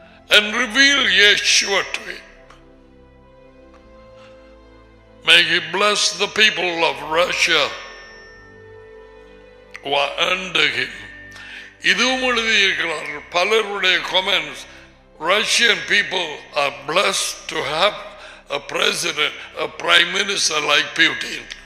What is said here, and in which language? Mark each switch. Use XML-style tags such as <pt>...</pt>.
<en>And reveal Yeshua to him. May he bless the people of Russia who are under him.</en> <ta>இதுவும் எழுதியிருக்கிறார் பலருடைய comments.</ta> <en>Russian people are blessed to have a president, a prime minister like Putin.</en>